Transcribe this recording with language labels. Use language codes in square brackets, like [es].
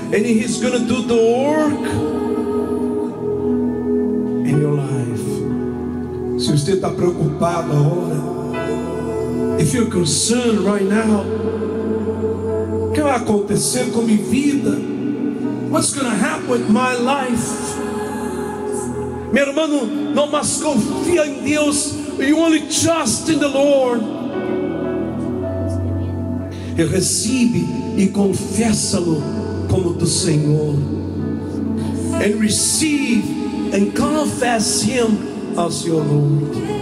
[en] And He's going to do the work in your life. [pt] Se você está preocupado agora, [en] if you're concerned right now, [pt] o que vai acontecer com minha vida? [en] What's going to happen with my life? [pt] Meu irmão, não mais confia em Deus. [en] You only trust in the Lord. [pt] E recebe e confessa-lo como teu Senhor. [en] And receive and confess Him as your Lord.